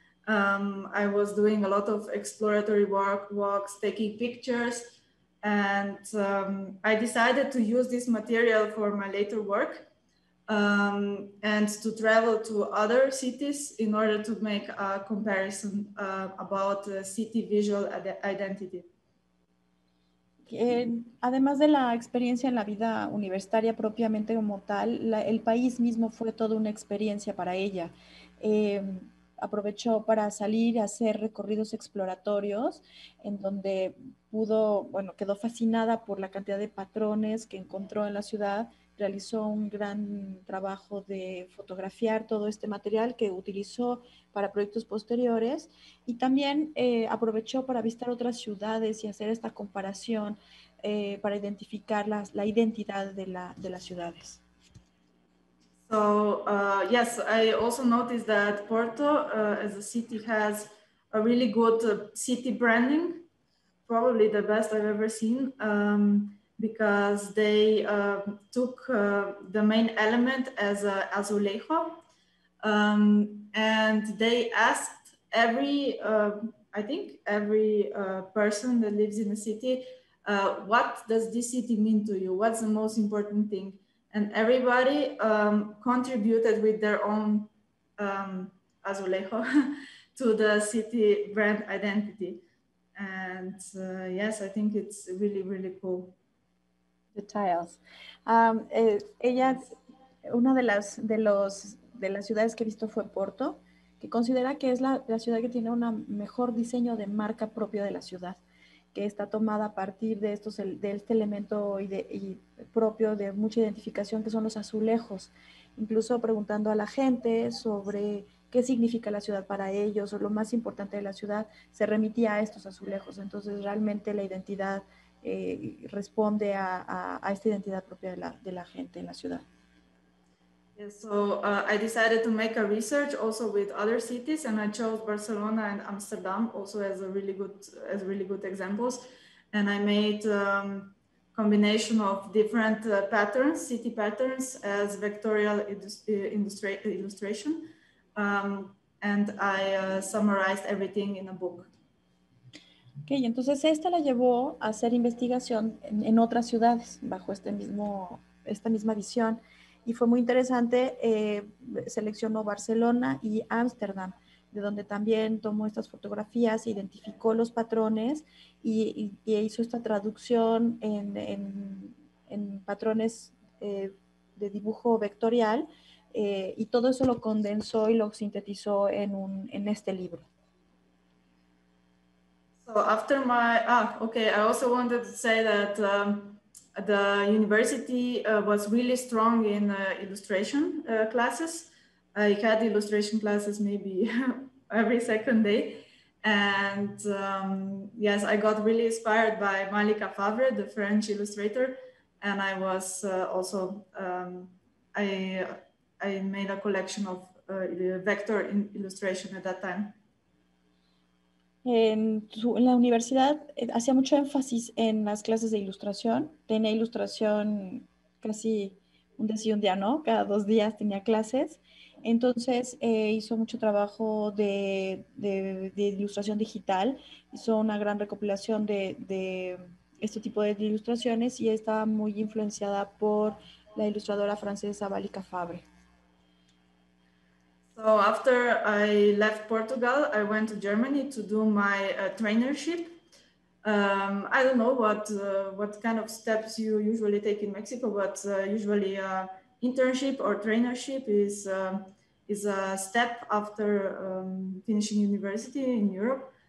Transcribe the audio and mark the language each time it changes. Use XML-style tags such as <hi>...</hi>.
<en>I was doing a lot of exploratory walks, taking pictures, and I decided to use this material for my later work. And to travel to other cities in order to make a comparison about city visual identity.</en> <es>Además de la experiencia en la vida universitaria propiamente como tal, el país mismo fue toda una experiencia para ella. Aprovechó para salir y hacer recorridos exploratorios en donde quedó fascinada por la cantidad de patrones que encontró en la ciudad. Realizó un gran trabajo de fotografiar todo este material que utilizó para proyectos posteriores y también aprovechó para visitar otras ciudades y hacer esta comparación para identificar la identidad de las ciudades.</es> <en>So, yes, I also noticed that Porto as a city has a really good city branding, probably the best I've ever seen. Because they took the main element as a azulejo, and they asked every, I think every person that lives in the city, what does this city mean to you? What's the most important thing? And everybody contributed with their own azulejo to the city brand identity. And yes, I think it's really, really cool. Details.</en> <es>Ella, una de las ciudades que he visto fue Porto, que considera que es la ciudad que tiene un mejor diseño de marca propio de la ciudad, que está tomada a partir de estos de este elemento y propio de mucha identificación que son los azulejos. Incluso preguntando a la gente sobre qué significa la ciudad para ellos o lo más importante de la ciudad, se remitía a estos azulejos. Entonces realmente la identidad responde a esta identidad propia de la gente en la ciudad.</es> <en>Yes, so I decided to make a research also with other cities, and I chose Barcelona and Amsterdam also as really good examples. And I made combination of different patterns, city patterns, as vectorial illustration, and I summarized everything in a book.</en> <es>Ok, entonces esta la llevó a hacer investigación en otras ciudades bajo esta misma visión y fue muy interesante, seleccionó Barcelona y Ámsterdam, de donde también tomó estas fotografías, identificó los patrones y hizo esta traducción en patrones de dibujo vectorial y todo eso lo condensó y lo sintetizó en este libro.</es> <en>So after I also wanted to say that the university was really strong in illustration classes. I had illustration classes maybe every second day. And yes, I got really inspired by Malika Favre, the French illustrator. And I was also, I made a collection of vector illustration at that time.</en> <es>En la universidad hacía mucho énfasis en las clases de ilustración. Tenía ilustración casi un día sí, un día no. Cada dos días tenía clases. Entonces hizo mucho trabajo de ilustración digital. Hizo una gran recopilación de este tipo de ilustraciones y estaba muy influenciada por la ilustradora francesa Malika Favre.</es> <en>So after I left Portugal, I went to Germany to do my trainership. I don't know what kind of steps you usually take in Mexico, but usually internship or trainership is a step after finishing university in Europe.</en>